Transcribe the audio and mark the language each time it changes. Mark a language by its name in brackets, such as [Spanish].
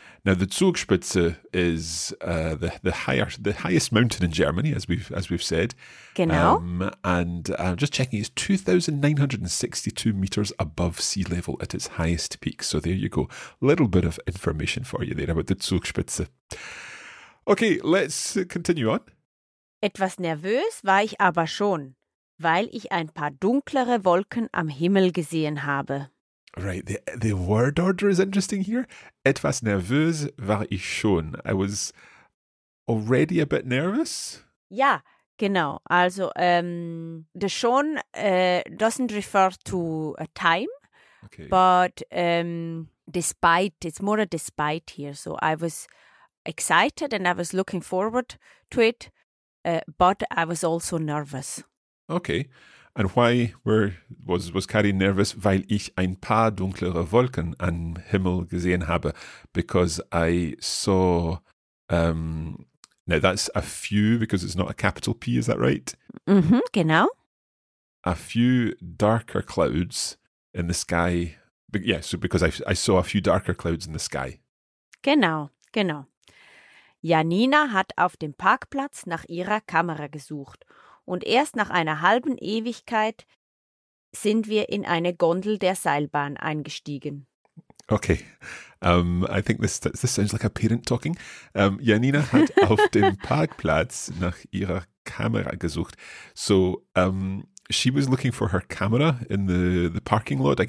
[English] Now the Zugspitze is the highest mountain in Germany, as we've said. [German] Genau. [English] And I'm just checking, it's 2,962 meters above sea level at its highest peak. So there you go, little bit of information for you there about the Zugspitze. Okay, let's continue on. [German] Etwas nervös war ich aber schon, weil ich ein paar dunklere Wolken am Himmel gesehen habe. [English] Right, the word order is interesting here. [German] Etwas nervös war ich schon. [English] I was already a bit nervous. [German] Ja, genau. [English] Also, the schon doesn't refer to a time, okay. But despite, it's more a despite here. So I was excited and I was looking forward to it, but I was also nervous. Okay. And why was Carrie nervous? [German] Weil ich ein paar dunklere Wolken am Himmel gesehen habe. [English] Because I saw, now that's a few, because it's not a capital P, is that right? [German] Mm-hmm, genau. [English] A few darker clouds in the sky. But yeah, so because I saw a few darker clouds in the sky. [German] Genau, genau. Janina hat auf dem Parkplatz nach ihrer Kamera gesucht. Und erst nach einer halben Ewigkeit sind wir in eine Gondel der Seilbahn eingestiegen. [English] Okay, I think this sounds like a parent talking. [German] Janina hat auf dem Parkplatz nach ihrer Kamera gesucht. [English] So, she was looking for her camera in the parking lot.